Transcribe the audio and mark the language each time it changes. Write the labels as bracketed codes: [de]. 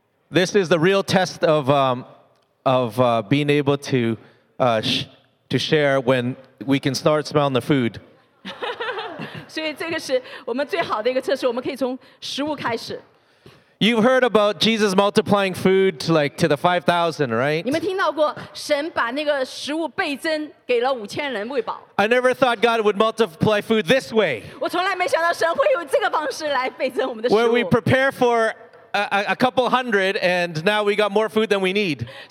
[en] This is the real test of being able to share when we can start smelling the food. [zh] 所以这个是我们最好的一个测试，我们可以从食物开始。 [en] You've heard about Jesus multiplying food to the 5,000, right? [zh] 你们听到过神把那个食物倍增给了5,000人喂饱。 [en] I never thought God would multiply food this way. [zh] 我从来没想到神会用这个方式来倍增我们的食物。 [en] Where we prepare for a couple hundred, and now we got more food than we need.